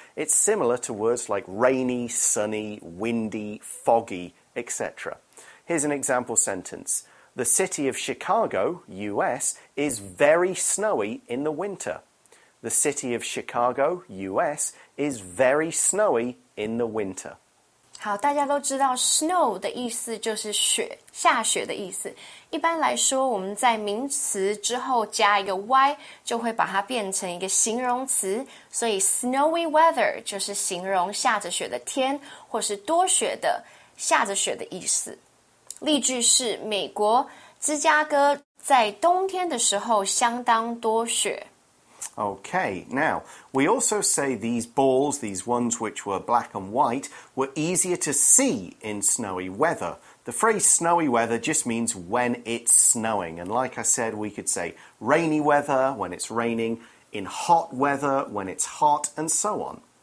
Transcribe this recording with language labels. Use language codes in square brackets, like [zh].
[en] It's similar to words like rainy, sunny, windy, foggy, etc. Here's an example sentence. The city of Chicago, U.S., is very snowy in the winter. The city of Chicago, U.S., is very snowy in the winter. [zh] 好，大家都知道 snow 的意思就是雪，下雪的意思。一般来说，我们在名词之后加一个 y， 就会把它变成一个形容词。所以 snowy weather 就是形容下着雪的天，或是多雪的下着雪的意思。例句是美国芝加哥在冬天的时候相当多雪。 [en] Okay, now, we also say these balls, these ones which were black and white, were easier to see in snowy weather. The phrase snowy weather just means when it's snowing. And like I said, we could say rainy weather, when it's raining, in hot weather, when it's hot, and so on.